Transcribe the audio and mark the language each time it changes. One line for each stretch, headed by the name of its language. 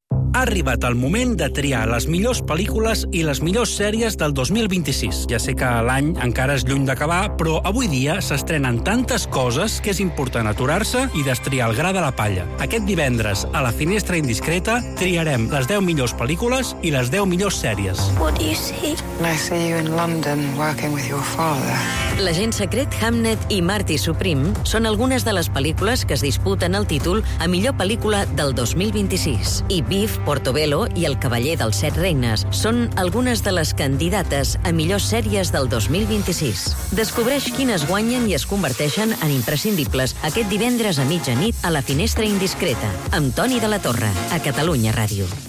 Catalan: Ha arribat el moment de triar les millors pel·lícules i les millors sèries del 2026. Ja sé que l'any encara és lluny d'acabar, però avui dia s'estrenen tantes coses que és important aturar-se i destriar el gra de la palla. Aquest divendres, a la Finestra Indiscreta, triarem les 10 millors pel·lícules i les 10 millors sèries.
English: What do you see? I see you in London working with your father.
Catalan: L'agent secret Hamnet i Marty Supreme són algunes de les pel·lícules que es disputen el títol a millor pel·lícula del 2026. I Portobello i El cavaller dels set reines són algunes de les candidates a millors sèries del 2026. Descobreix quines guanyen i es converteixen en imprescindibles aquest divendres a mitjanit a la Finestra Indiscreta, amb Toni de la Torre, a Catalunya Ràdio.